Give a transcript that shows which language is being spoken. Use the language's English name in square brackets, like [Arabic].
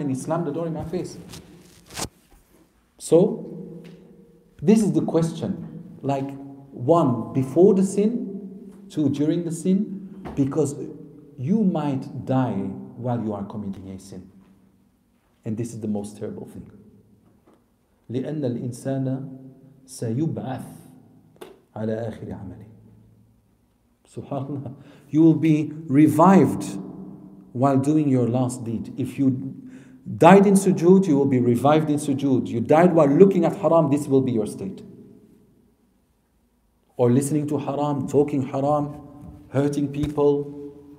[English] And he slammed the door in my face. So, this is the question. Like, one, before the sin, two, during the sin, because you might die while you are committing a sin. And this is the most terrible thing. [Arabic] لِأَنَّ الْإِنسَانَ سَيُبْعَثْ عَلَىٰ آخِرِ عَمَلِهِ SubhanAllah. [English] You will be revived while doing your last deed. If you died in sujood, you will be revived in sujood. You died while looking at haram, this will be your state. Or listening to haram, talking haram, hurting people.